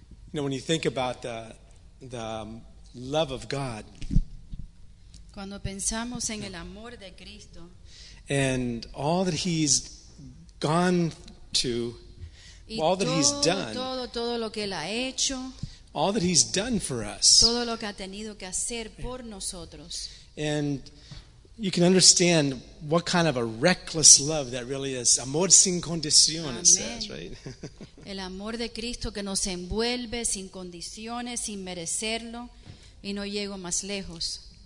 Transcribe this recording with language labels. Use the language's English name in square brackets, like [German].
[English] You know, when you think about the love of God. [Spanish] Cuando pensamos en el amor de Cristo. [English] And all that he's gone to, all that he's done. [Spanish] Todo lo que él ha hecho. [English] All that he's done for us. [Spanish] Todo lo que ha tenido que hacer por nosotros. [English] And you can understand what kind of a reckless love that really is. [Spanish] Amor sin condición, [English] it says, right? [Spanish] El amor de Cristo que nos envuelve sin condiciones, sin merecerlo, y no llego más lejos.